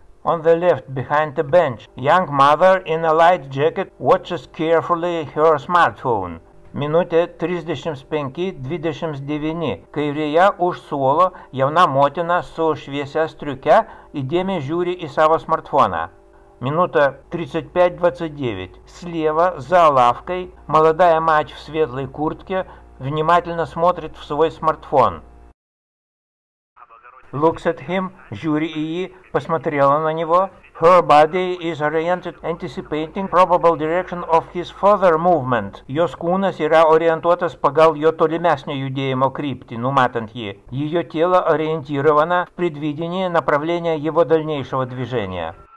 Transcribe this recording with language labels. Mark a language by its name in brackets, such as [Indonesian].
[English] On the left, behind the bench, young mother in a light jacket watches carefully her smartphone. [Lithuanian] Minutė 35:29. Kairėje už suolo jauna motina su šviesia striuke įdėmiai žiūri į savo smartfoną. Minutė 35:29. [Russian] Слева, за лавкой, молодая мать в светлой куртке внимательно смотрит в свой смартфон. [English] Looks at him, [Russian] жюри ИИ, посмотрела на него. [English] Her body is oriented, anticipating probable direction of his further movement. [Lithuanian] Jos kūnas yra orientuotas pagal jo tolimesnio judėjimo kryptį, numatant jį. [Russian] Ее тело ориентировано в предвидении направления его дальнейшего движения.